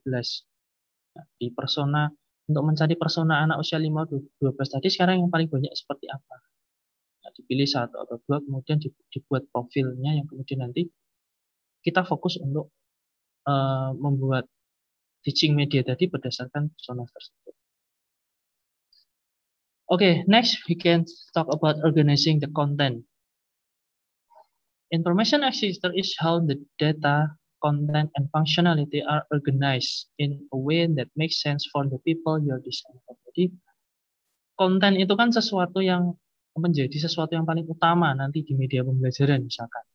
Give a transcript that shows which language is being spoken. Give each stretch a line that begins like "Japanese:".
Indonesian: Nah, di persona untuk mencari persona anak usia 5-12 tadi sekarang yang paling banyak seperti apa? Dipilih satu atau dua, kemudian dibuat profilnya yang kemudian nanti kita fokus untuk membuat teaching media tadi berdasarkan persona tersebut.
English: Okay, next we can talk about organizing the content. Information exchange is how the data, content, and functionality are organized in a way that makes sense for the people you're designing.
Indonesian: Jadi, konten itu kan sesuatu yang menjadi sesuatu yang paling utama nanti di media pembelajaran misalkan.